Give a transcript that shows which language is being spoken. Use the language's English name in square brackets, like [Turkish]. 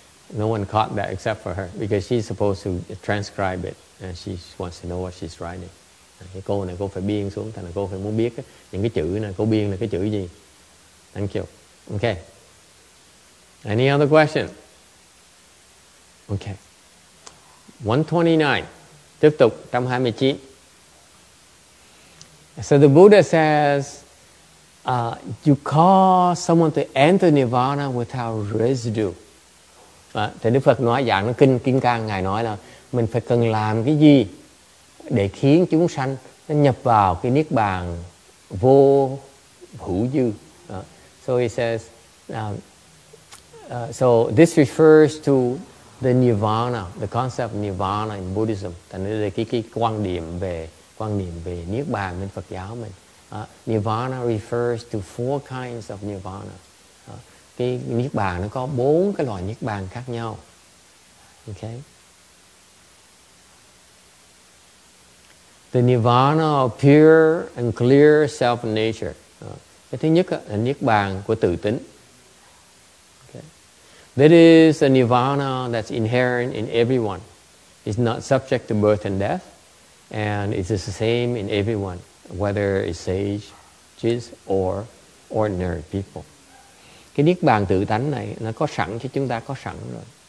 [English] No one caught that except for her, because she's supposed to transcribe it, and she wants to know what she's writing. [Vietnamese] Cái câu này cô phải biên xuống, thành là cô phải muốn biết những cái chữ này, cô biên là cái chữ gì. [English] Thank you. Okay. Any other question? Okay. 129. [Vietnamese] Tiếp tục, [English] 129. So the Buddha says, You call someone to enter Nirvana without residue. [Vietnamese] Thì Đức Phật nói giảng trong kinh Kim Cang, ngài nói là mình phải cần làm cái gì để khiến chúng sanh nó nhập vào cái niết bàn vô hữu dư. [English] So he says, so this refers to the Nirvana, the concept of Nirvana in Buddhism. [Vietnamese] Thành đây là cái quan niệm về niết bàn bên Phật giáo mình. [English] Nirvana refers to four kinds of Nirvana. [Vietnamese] Cái niết bàn nó có bốn cái loại niết bàn khác nhau. [English] Okay. The Nirvana of pure and clear self nature. [Vietnamese] Cái thứ nhất là niết bàn của tự tính. [English] Okay. That is a Nirvana that's inherent in everyone. It's not subject to birth and death, and it's the same in everyone, whether it's sages or ordinary people. [Vietnamese] Cái niết bàn tự tánh này nó có sẵn cho chúng ta, có sẵn rồi.